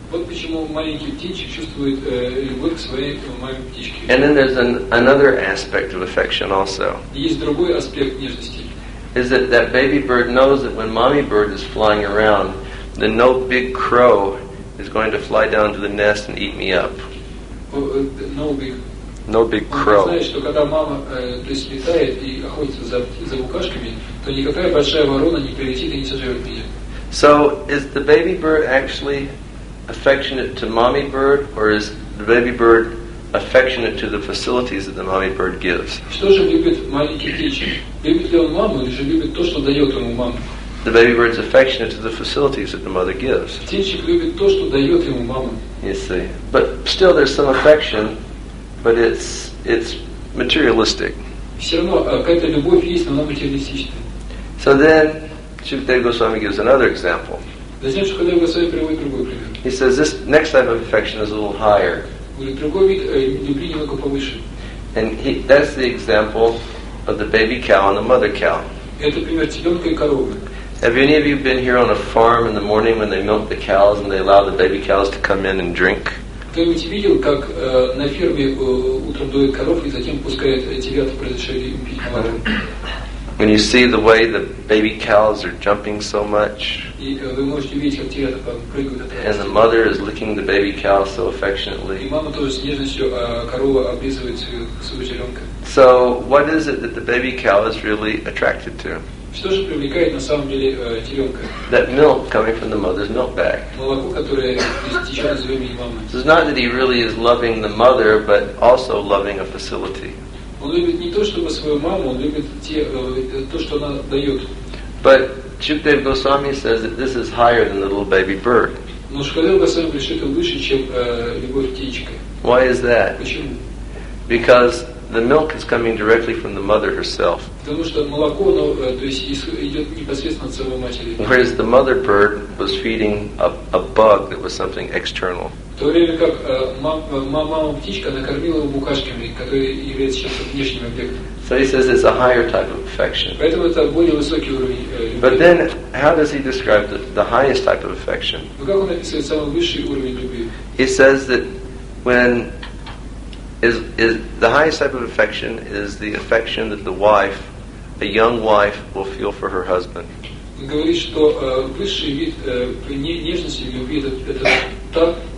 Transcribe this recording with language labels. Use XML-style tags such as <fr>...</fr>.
<en>And then there's another aspect of affection also. Is that baby bird knows that when mommy bird is flying around, then no big crow is going to fly down to the nest and eat me up. No big No big crow.</en> <ru>Знаешь, что когда мама, то есть летает и охотится за, за букашками, то никакая большая ворона не прилетит и не сожрет меня.</ru> <en>So is the baby bird actually affectionate to mommy bird, or is the baby bird affectionate to the facilities that the mommy bird gives?</en> <ru>Что же любит маленький птичек? Любит ли он маму или же любит то, что дает ему мама?</ru> <en>The baby bird is affectionate to the facilities that the mother gives.</en> <ru>Птичек любит то, что дает ему мама.</ru> <en>You see, but still there's some affection, but it's materialistic.</en> <ru>Все равно какая-то любовь есть, но она материалистичная.</ru> <en>So then, Shukadeva Goswami gives another example.</en> <ru>Затем Шукадева Госвами приводит другой пример.</ru> <en>He says this next type of affection is a little higher.</en> <ru>Говорит, другой вид любви немного повыше.</ru> <en>And that's the example of the baby cow and the mother cow.</en> <ru>Это пример теленка и коровы.</ru> <en>Have any of you been here on a farm in the morning when they milk the cows and they allow the baby cows to come in and drink?</en> <ru>Кто-нибудь видел, как на ферме утром доят коров и затем пускают телят в произошедшие пить молоко?</ru> <en>When you see the way the baby cows are jumping so much, and the mother is licking the baby cow so affectionately. So, what is it that the baby cow is really attracted to? That milk coming from the mother's milk bag. So it's not that he really is loving the mother, but also loving a facility.</en> <ru>Он любит не то, чтобы свою маму, он любит то, что она дает.</ru> <en>But Shukadeva Goswami says that this is higher than the little baby bird.</en> <ru>Но Шукадева Госвами говорит, что это выше, чем любовь птичка.</ru> <en>Why is that?</en> <ru>Почему?</ru> <en>Because the milk is coming directly from the mother herself.</en> <ru>Потому что молоко, оно, то есть идет непосредственно от самой матери.</ru> <en>Whereas the mother bird was feeding a bug that was something external.</en> <ru>В то время как мама птичка накормила его букашками, которые являются сейчас внешним объектом.</ru> <en>So he says it's a higher type of affection.</en> <ru>Поэтому это более высокий уровень любви.</ru> <en>But then, how does he describe the highest type of affection?</en> <ru>Но как он описывает самый высший уровень любви?</ru> <en>He says that when is the highest type of affection is the affection that the wife, a young wife, will feel for her husband.</en> <ru>Он говорит, что высший вид нежности любви это</ru>